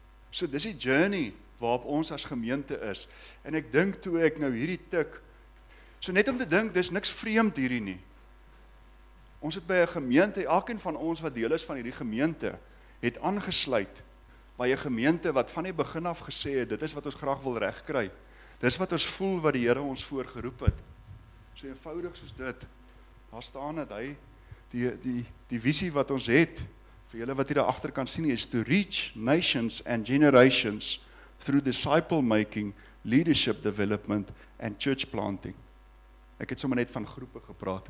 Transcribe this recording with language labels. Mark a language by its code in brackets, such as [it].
[af] So dis die journey waarop ons as gemeente is. En ek dink toe ek nou hierdie tik, so net om te dink, dis niks vreemd hierdie nie. Ons het by 'n gemeente, elkeen van ons wat deel is van hierdie gemeente, het aangesluit by 'n gemeente wat van die begin af gesê het, dit is wat ons graag wil regkry. Dis wat ons voel wat die Here ons voor geroep het. So eenvoudig soos dit, daar staan het hy, die visie wat ons het, Vir julle wat hier daar agter kan sien, is [en] to reach nations and generations through disciple making, leadership development and church planting. [af] Ek het sommer net van groepe gepraat.